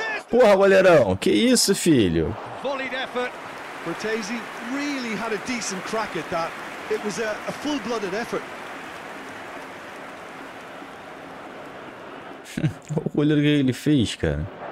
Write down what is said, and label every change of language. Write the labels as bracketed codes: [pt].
[pt] Porra, goleirão, que isso, filho? [en] Volleyed effort. Bertesi really had a decent crack at that. It was a full-blooded effort. [pt] O goleiro que ele fez, cara.